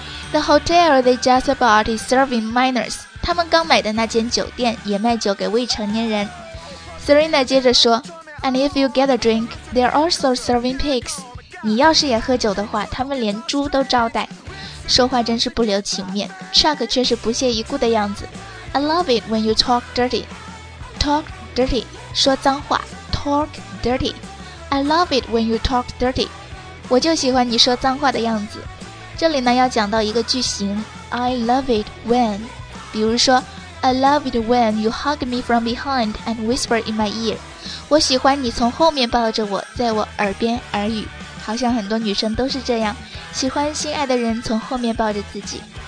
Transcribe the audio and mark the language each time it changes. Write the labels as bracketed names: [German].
[English] The hotel they just bought is serving minors. [Chinese] 他们刚买的那间酒店也卖酒给未成年人。 [English] Serena [Chinese] 接着说， [English] And if you get a drink, they're also serving pigs. [Chinese] 你要是也喝酒的话，他们连猪都招待。说话真是不留情面， Chuck 却是不屑一顾的样子。 [English] I love it when you talk dirty. Talk dirty, [Chinese] 说脏话。 [English] Talk dirty, I love it when you talk dirty. [Chinese] 我就喜欢你说脏话的样子。这里呢要讲到一个句型 [English] I love it when, 比如说 I love it when you hug me from behind and whisper in my ear. [Chinese] 我喜欢你从后面抱着我，在我耳边耳语。好像很多女生都是这样，喜欢心爱的人从后面抱着自己。